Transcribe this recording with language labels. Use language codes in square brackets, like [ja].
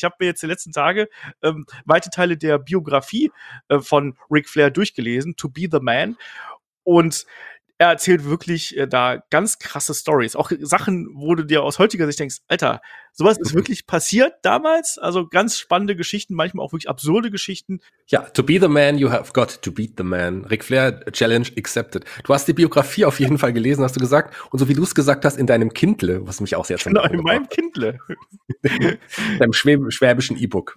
[de] Ich habe mir jetzt die letzten Tage weite Teile der Biografie von Ric Flair durchgelesen, To Be the Man. Und er erzählt wirklich da ganz krasse Stories. Auch Sachen, wo du dir aus heutiger Sicht denkst, Alter, sowas ist wirklich passiert damals. Also ganz spannende Geschichten, manchmal auch wirklich absurde Geschichten. [en] Ja, to be the man, you have got to beat the man. Ric Flair, challenge accepted. [de] Du hast die Biografie auf jeden Fall gelesen, hast du gesagt. Und so wie du es gesagt hast, in deinem Kindle, was mich auch sehr zum Lachen gebracht hat. Genau, in meinem Kindle. Deinem schwäbischen E-Book.